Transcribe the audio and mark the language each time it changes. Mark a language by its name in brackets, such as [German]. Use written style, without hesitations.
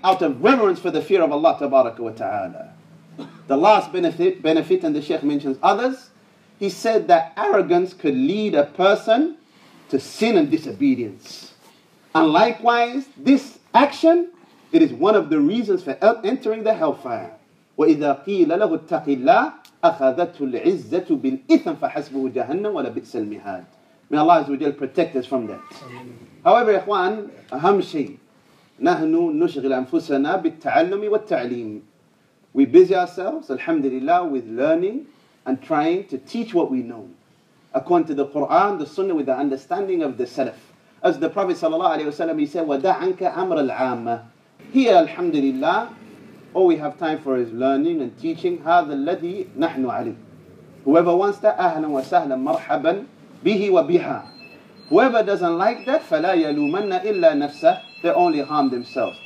[English] Out of reverence for the fear of Allah tabaraka wa ta'ala. The last benefit, and the Shaykh mentions others, he said that arrogance could lead a person to sin and disobedience. And likewise, this action, it is one of the reasons for entering the hellfire. [Arabic] وَإِذَا قِيلَ لَهُ اتَّقِ اللَّهِ أَخَذَتُ الْعِزَّةُ بِالْإِثْمِ فَحَسْبُهُ جَهَنَّمُ وَلَبِئْسَ الْمِهَادُ. [English] May Allah Azza wa Jal protect us from that. However, ikhwan, [Arabic] أهم شيء نَحْنُ نُشْغِلْ أَنفُسَنَا بِالتَّعَلُّمِ وَالتَّعْلِيمِ. [English] We busy ourselves, alhamdulillah, with learning and trying to teach what we know according to the Quran, the Sunnah, with the understanding of the Salaf. As the Prophet sallallahu alayhi wa sallam, he said, [Arabic] وَدَعْ عَنْكَ أَمْرَ الْعَامَةِ. [English] Here, alhamdulillah, all we have time for is learning and teaching. [Arabic] هَذَا الَّذِي نَحْنُ عَلِيهِ. [English] Whoever wants that, [Arabic] أَهْلًا وَسَهْلًا مَرْحَبًا بِهِ وَبِهَا. [English] Whoever doesn't like that, [Arabic] فَلَا يَلُومَنَّ إِلَّا نَفْسَهُ. [English] They only harm themselves.